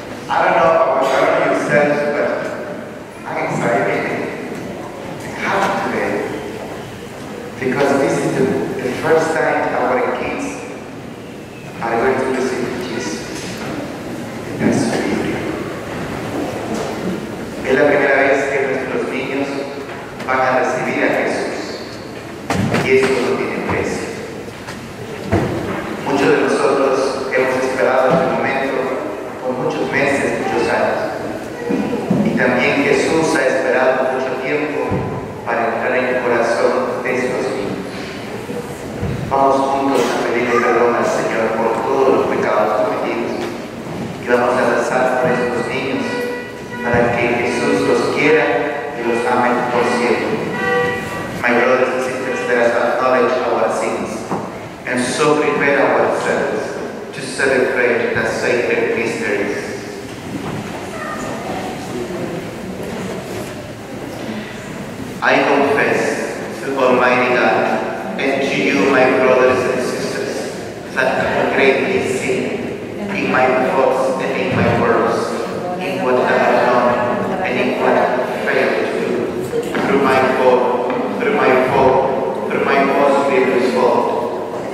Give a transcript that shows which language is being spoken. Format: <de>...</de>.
<en>I don't know about how you said, but I'm excited. I have today. Because this is the first time our kids are going to receive Jesus. Yes.</en> <es>Es la primera vez que nuestros niños van a recibir a Jesús. Y eso no tiene precio. Muchos de nosotros hemos esperado este momento por muchos meses, muchos años. Y también Jesús ha esperado mucho tiempo para entrar en el corazón de estos niños. Vamos juntos a pedirle perdón al Señor por todos los pecados cometidos. Y vamos a rezar por estos niños para que Jesús los quiera y los ame por siempre.</es> <en>My brothers and sisters, let us acknowledge our sins and so prepare ourselves to celebrate the sacred mysteries. I confess to Almighty God and to you, my brothers and sisters, that I have greatly sinned in my thoughts and in my words, in what I have done and in what I have failed to do, through my fault, through my most grievous fault.</en>